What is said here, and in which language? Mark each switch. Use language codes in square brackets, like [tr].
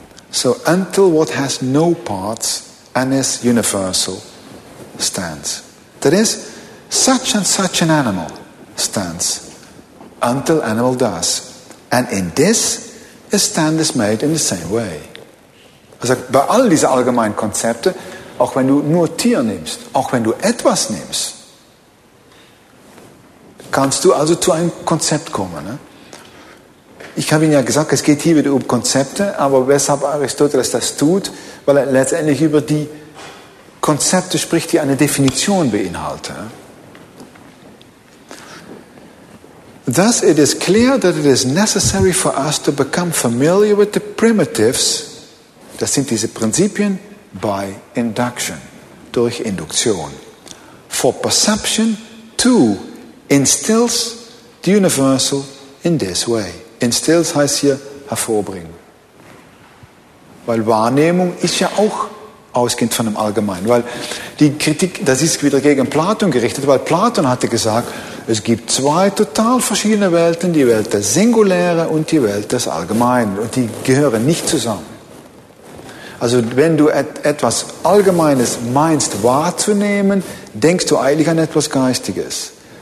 [en] So, until what has no parts and is universal stands. That is, such and such an animal stands. Until animal does. And in this, a stand is made in the same way. [de] Also bei all diesen allgemeinen Konzepten, auch wenn du nur Tier nimmst, auch wenn du etwas nimmst, kannst du also zu einem Konzept kommen. Ne? Ich habe Ihnen ja gesagt, es geht hier wieder um Konzepte, aber weshalb Aristoteles das tut, weil er letztendlich über die Konzepte spricht, die eine Definition beinhalten. [en] Thus it is clear that it is necessary for us to become familiar with the primitives, [de] das sind diese Prinzipien, [en] by induction, [de] durch Induktion. [en] For perception, too, instills the universal in this way. [de] Instills heißt hier hervorbringen. Weil Wahrnehmung ist ja auch ausgehend von dem Allgemeinen. Weil die Kritik, das ist wieder gegen Platon gerichtet, weil Platon hatte gesagt, es gibt zwei total verschiedene Welten, die Welt des Singulären und die Welt des Allgemeinen. Und die gehören nicht zusammen. Also wenn du etwas Allgemeines meinst wahrzunehmen, denkst du eigentlich an etwas Geistiges.